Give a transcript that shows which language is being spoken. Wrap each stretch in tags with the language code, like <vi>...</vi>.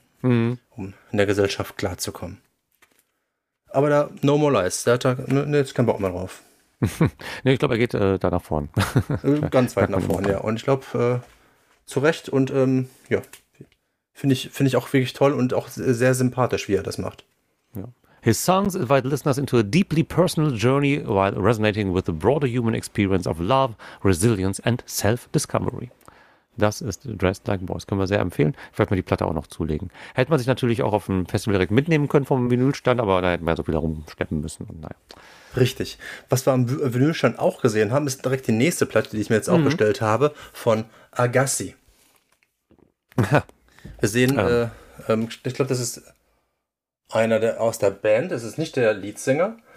<de>Um in der Gesellschaft klarzukommen. Aber da,</de> <en>no more lies,</en> <de>da hat er jetzt keinen Bock mehr drauf. Nee, ich glaube, er geht da nach vorn. Ganz weit nach vorn, ja. Und ich glaube, zu Recht und ja. Finde ich auch wirklich toll und auch sehr sympathisch, wie er das macht. Ja.</de> <en>His songs invite listeners into a deeply personal journey while resonating with the broader human experience of love, resilience and self-discovery.</en> <de>Das ist Dressed Like Boys. Können wir sehr empfehlen. Vielleicht mal die Platte auch noch zulegen. Hätte man sich natürlich auch auf dem Festival direkt mitnehmen können vom Vinylstand, aber da hätten wir so viel herumschleppen müssen. Und naja. Richtig. Was wir am Vinylstand auch gesehen haben, ist direkt die nächste Platte, die ich mir jetzt auch bestellt habe, von Agassi. Wir sehen, ich glaube, das ist einer aus der Band, das ist nicht der Leadsänger.</de>